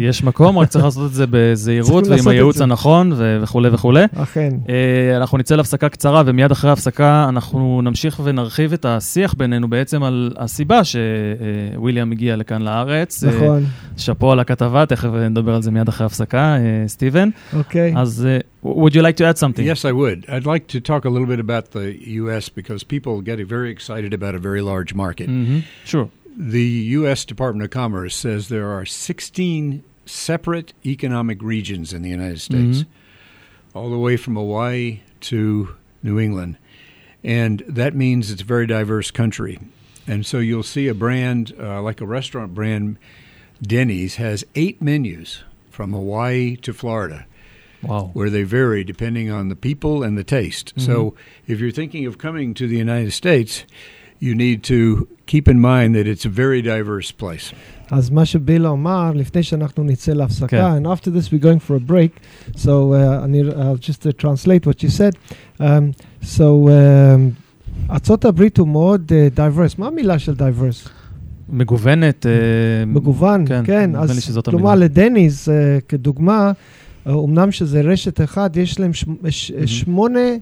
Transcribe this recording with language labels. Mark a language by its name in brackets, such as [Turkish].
[Hebrew] יש מקום, רק צריך לעשות את זה בזהירות ועם הייעוץ הנכון וכו' וכו'. אכן. אנחנו נצא להפסקה קצרה, ומיד אחרי ההפסקה אנחנו נמשיך ונרחיב את השיח בינינו בעצם על הסיבה שוויליאם הגיע לכאן לארץ. נכון. שפו על הכתבה, תכף נדבר על זה מיד אחרי ההפסקה, סטיבן. אוקיי. אז... [English] Would you like to add something? Yes, I would. I'd like to talk a little bit about the U.S. because people get very excited about a very large market. Mm-hmm. Sure. The U.S. Department of Commerce says there are 16 separate economic regions in the United States, mm-hmm. all the way from Hawaii to New England. And that means it's a very diverse country. And so you'll see a brand, like a restaurant brand, Denny's, has 8 menus from Hawaii to Florida. Wow. Where they vary depending on the people and the taste. Mm-hmm. So if you're thinking of coming to the United States, you need to keep in mind that it's a very diverse place. [Hebrew] אז מה שביל אמר, לפני שאנחנו נצא להפסקה, [English] and after this we're going for a break, so I'll just translate what you said. [Hebrew] So ארצות הברית הוא מאוד diverse. מה המילה של diverse? מגוונת. מגוון, כן. אז כלומר לדניז, כדוגמה, אמנם שזה רשת אחד, יש להם 8